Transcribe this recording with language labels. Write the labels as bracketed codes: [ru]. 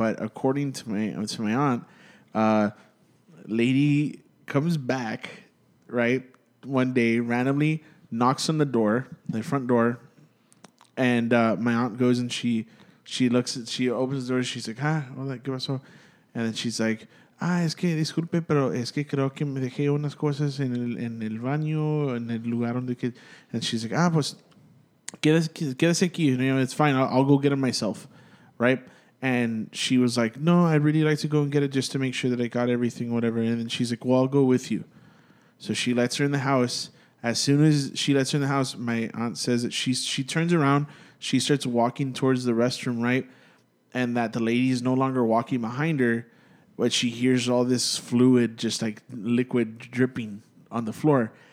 [en] But according to my aunt, lady comes back, right, one day randomly, knocks on the door, the front door. And my aunt goes and she opens the door. She's like, ah, all that, give us all. And then she's like, [es] ah, es que disculpe, pero es que creo que me dejé unas cosas en el baño, en el lugar donde que. [en] And she's like, [es] ah, pues, quédese aquí. [en] You know, it's fine. I'll go get it myself. Right? And she was like, no, I'd really like to go and get it just to make sure that I got everything, whatever. And then she's like, well, I'll go with you. So she lets her in the house. As soon as she lets her in the house, my aunt says that she turns around. She starts walking towards the restroom, right? And that the lady is no longer walking behind her. But she hears all this fluid, just like liquid dripping on the floor.